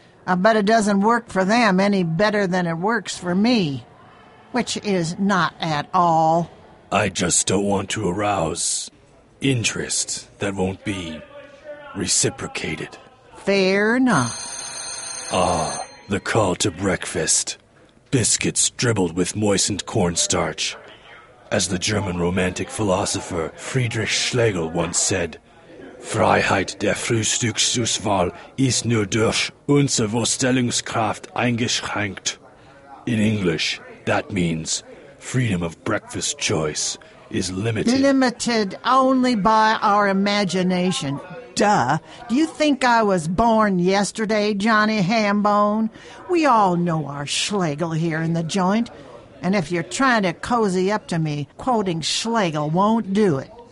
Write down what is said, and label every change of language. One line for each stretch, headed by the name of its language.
English: I bet it doesn't work for them any better than it works for me, which is not at all. I just don't want to arouse interest that won't be reciprocated. Fair enough. Ah, the call to breakfast. Biscuits dribbled with moistened cornstarch. As the German romantic philosopher Friedrich Schlegel once said,
German: Freiheit der Frühstückszuswahl ist nur durch unsere Vorstellungskraft eingeschränkt.
English: In English, that means freedom of breakfast choice is limited. Limited only by our imagination. Duh. Do you think I was born yesterday, Johnny Hambone? We all know our Schlegel here in the joint. And if you're trying to cozy up to me, quoting Schlegel won't do it.